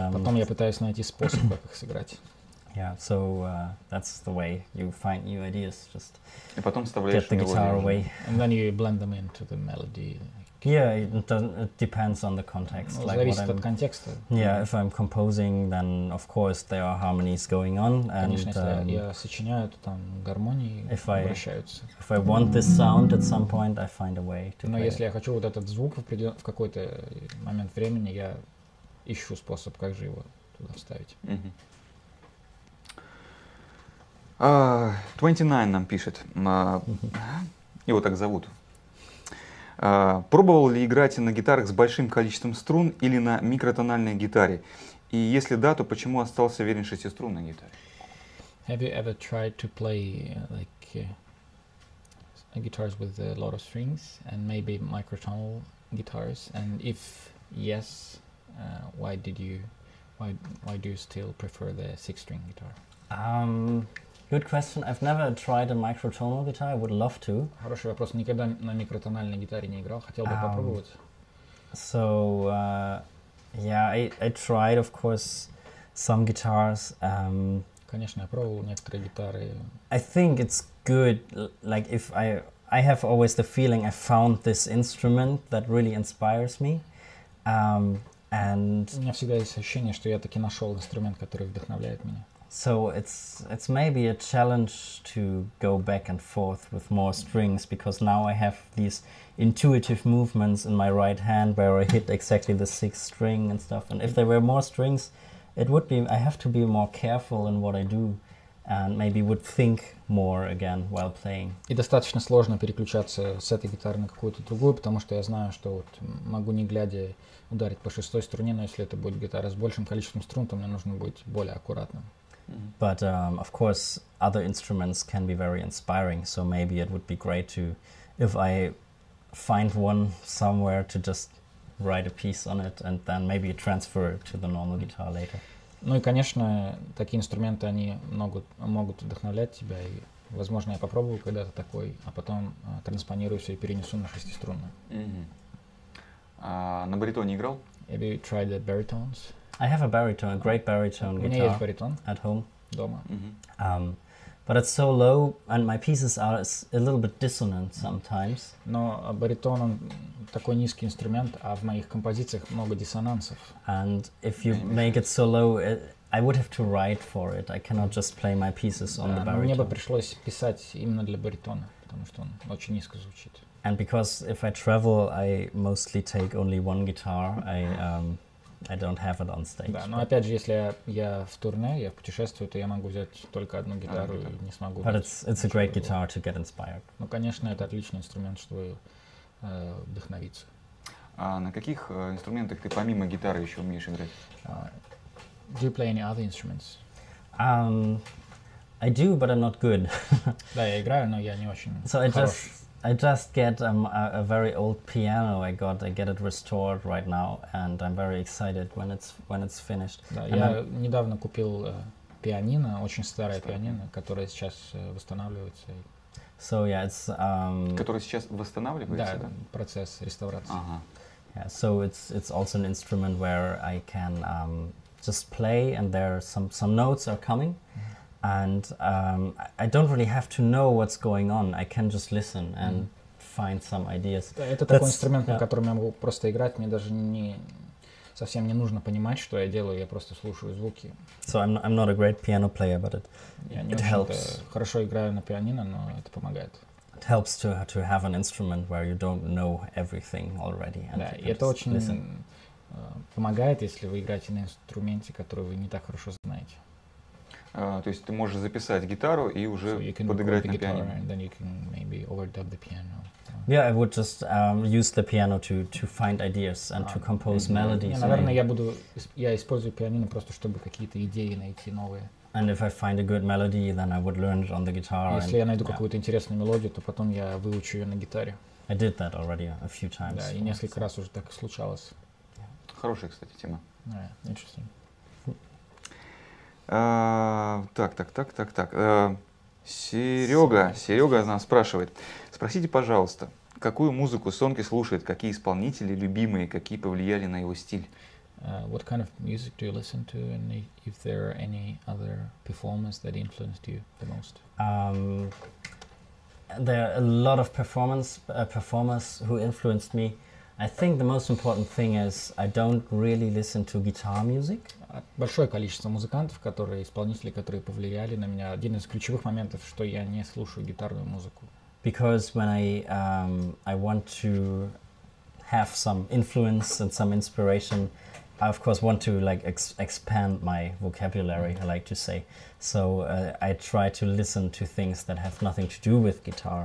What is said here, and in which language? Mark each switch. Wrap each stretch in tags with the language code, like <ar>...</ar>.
<ru>потом я пытаюсь найти способ, как их сыграть.</ru> <en>Yeah, so that's the way you find new ideas. Just</en> <ru>и потом вставляешь</ru> <en>get the guitar away. And then you blend them into the melody. Yeah, it depends on the context.</en> <ru>Ну, like зависит от контекста.</ru> <en>Yeah, if I'm composing, then of course there are harmonies going on. And,</en> <ru>конечно, если я сочиняю, то там гармонии</ru> <en>if</en> <ru>обращаются.</ru> <en>If I want this sound at some point, I find a way to</en> <ru>но</ru> <en>play</en> <ru>если</ru> <en>it.</en> <ru>Я хочу вот этот звук в какой-то момент времени, я ищу способ, как же его туда вставить. Mm-hmm. 29 нам пишет. Его так зовут. Пробовал ли играть на гитарах с большим количеством струн или на микротональной гитаре? И если да, то почему остался верен шестиструнной гитаре?</ru> <en>Have you ever tried to play like guitars with a lot of strings and maybe microtonal guitars? And if yes, why do you still prefer the six-string guitar? Good question. I've never tried a microtonal guitar. I would love to.</en> <ru>Хороший вопрос. Никогда на микротональной гитаре не играл. Хотел бы попробовать.</ru> <en>So, I tried, of course, some guitars.</en> <ru>Конечно, я пробовал некоторые гитары.</ru> <en>I think it's good. Like, if I have always the feeling I found this instrument that really inspires me. And</en> <ru>у меня всегда есть ощущение, что я таки нашел инструмент, который вдохновляет меня.</ru> <en>So it's maybe a challenge to go back and forth with more strings because now I have these intuitive movements in my right hand where I hit exactly the sixth string and stuff. And if there were more strings, it would be I have to be more careful in what I do and maybe would think more again while playing.</en> <ru>И достаточно сложно переключаться с этой гитары на какую-то другую, потому что я знаю, что вот могу не глядя ударить по шестой струне, но если это будет гитара с большим количеством струн, то мне нужно быть более аккуратным.</ru> <en>But of course, other instruments can be very inspiring. So maybe it would be great to, if I find one somewhere, to just write a piece on it and then maybe transfer it to the normal guitar later.</en> <ru>Ну и конечно, такие инструменты они могут вдохновлять тебя и, возможно, я попробую когда-то такой, а потом транспонирую все и перенесу на шестиструнную. На баритоне играл?</ru> <en>Have you tried the baritones? I have a baritone, a great baritone guitar</en> <ru>у меня есть баритон</ru> <en>at home.</en> <ru>Дома. Mm-hmm.</ru> <en>But it's so low, and my pieces are a little bit dissonant sometimes.</en> <ru>Но баритон он такой низкий инструмент, а в моих композициях много диссонансов.</ru> <en>And if you make it so low, I would have to write for it. I cannot just play my pieces on the baritone.</en> <ru>Мне бы пришлось писать именно для баритона, потому что он очень низко звучит.</ru> <en>And because if I travel, I mostly take only one guitar. I don't have it on stage.</en> <ru>Да, но опять же, если я в турне, я путешествую, то я могу взять только одну гитару и не смогу.</ru> <en>But it's a great guitar to get inspired.</en> <ru>Ну, конечно, это отличный инструмент, чтобы вдохновиться. А на каких инструментах ты помимо гитары еще умеешь играть?</ru> <en>Do you play any other instruments? I do, but I'm not good.</en> <ru>Да, я играю, но я не очень.</ru> <en>So I just get a very old piano. I get it restored right now, and I'm very excited when it's finished.</en> <ru>Да, я недавно купил пианино, очень старое пианино, которое сейчас восстанавливается.</ru> <en>So yeah, it's.</en> <ru>Которое сейчас восстанавливается. Да, процесс реставрации. Ага.</ru> <en>Yeah, so it's also an instrument where I can just play, and there are some notes are coming. And I don't really have to know what's going on. I can just listen and find some ideas.</en> <ru>Да, это такой инструмент, на котором я могу просто играть. Мне даже не нужно понимать, что я делаю. Я просто слушаю звуки.</ru> <en>So I'm not a great piano player, but it helps.</en> <ru>Я не очень-то хорошо играю на пианино, но это помогает.</ru> <en>It helps to have an instrument where you don't know everything already.</en> <ru>And да, и это очень помогает, если вы играете на инструменте, который вы не так хорошо знаете. То есть ты можешь записать гитару и уже подыграть на пианино.</ru> <en>And then you can maybe overdub the piano. Yeah, I would just use the piano to find ideas and to compose melodies.</en> <ru>Наверное, я использую пианино просто чтобы какие-то идеи найти новые.</ru> <en>And if I find a good melody, then I would learn it on the guitar.</en> <ru>Если я найду какую-то интересную мелодию, то потом я выучу ее на гитаре.</ru> <en>I did that already a few times.</en> <ru>Да, и несколько раз уже так случалось. Хорошая, кстати, тема.</ru> <en>Yeah, interesting.</en> <ru>Так. Серега нас спрашивает. Спросите, пожалуйста, какую музыку Сонке слушает, какие исполнители любимые, какие повлияли на его стиль?</ru> <en>What kind of music do you listen to, and if there are any other performers that influenced you the most? There are a lot of performers who influenced me. I think the most important thing is I don't really listen to guitar music.</en> <ru>Большое количество музыкантов, исполнителей, которые повлияли на меня. Один из ключевых моментов, что я не слушаю гитарную музыку.</ru> <en>Because when I want to have some influence and some inspiration, I of course want to like expand my vocabulary, I like to say. So I try to listen to things that have nothing to do with guitar.</en>